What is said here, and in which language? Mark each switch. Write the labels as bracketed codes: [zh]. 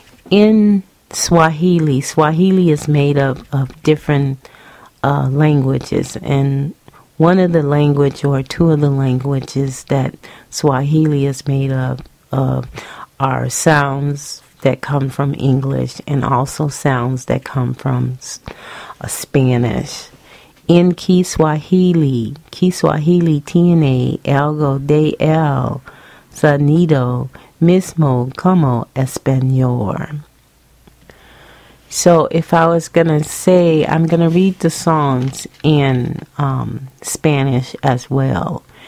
[en] In Swahili, Swahili is made up of different languages, and one of the language or two of the languages that Swahili is made up of are sounds that come from English and also sounds that come from Spanish. [es] In Kiswahili, tiene algo de el sonido mismo como español. [en] So if I was going to say, I'm going to read the songs in Spanish as well.